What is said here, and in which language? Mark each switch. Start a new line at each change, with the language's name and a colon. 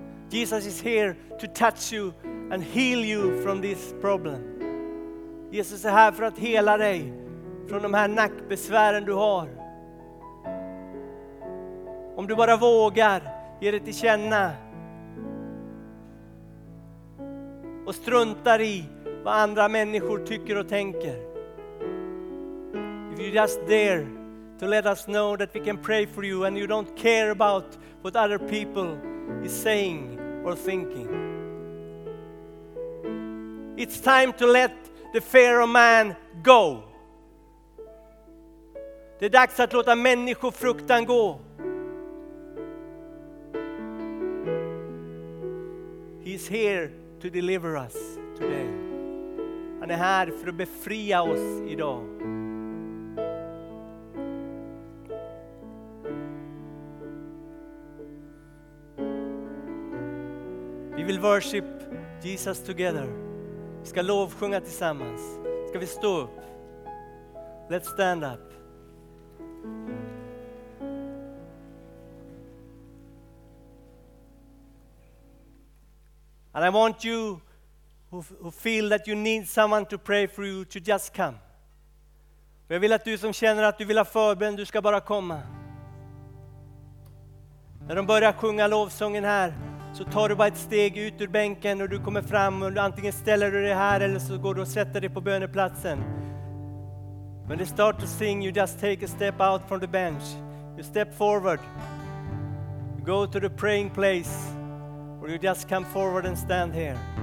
English: Jesus is here to touch you and heal you from this problem.
Swedish: Jesus är här för att hela dig från de här nackbesvären du har. Om du bara vågar ge det till känna och struntar i vad andra människor tycker och tänker.
English: If you just dare to let us know that we can pray for you and you don't care about what other people is saying or thinking. It's time to let the fear of man go.
Swedish: Det är dags att låta människofruktan gå.
English: He's here to deliver us today.
Swedish: Han är här för att befria oss idag. Vi vill
English: worship Jesus together.
Swedish: Vi ska lovsjunga tillsammans. Ska vi stå upp?
English: Let's stand up. And I want you who feel that you need someone to pray for you to just come.
Swedish: Jag vill att du som känner att du vill ha förbön, du ska bara komma. När de börjar sjunga lovsången här, så tar du bara ett steg ut ur bänken och du kommer fram och du antingen ställer du dig här eller så går du och sätter dig på böneplatsen.
English: When they start to sing, you just take a step out from the bench. You step forward. You go to the praying place. Or you just come forward and stand here.